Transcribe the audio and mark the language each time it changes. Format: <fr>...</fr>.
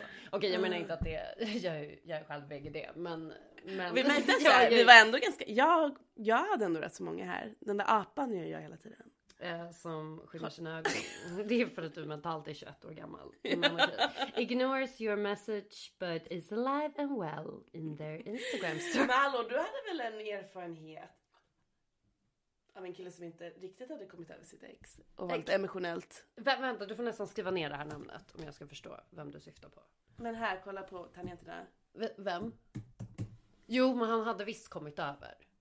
<sv>Okej, jag menar inte att det är, jag är själv VGD, men vi märkte att vi var ändå ganska, jag hade ändå rätt så många här. Den där apan gör jag hela tiden. Som skymmer sina ögon. Det är för att du mentalt är 21 år gammal. Okay.</sv> <en>Ignores your message but is alive and well in their Instagram story.</en> <sv>Malo, du hade väl en erfarenhet av en kille som inte riktigt hade kommit över sitt ex och varit emotionellt. Vänta, du får nästan skriva ner det här namnet om jag ska förstå vem du syftar på. Men här, kolla på tangenterna. Vem? Jo, men han hade visst kommit över.</sv>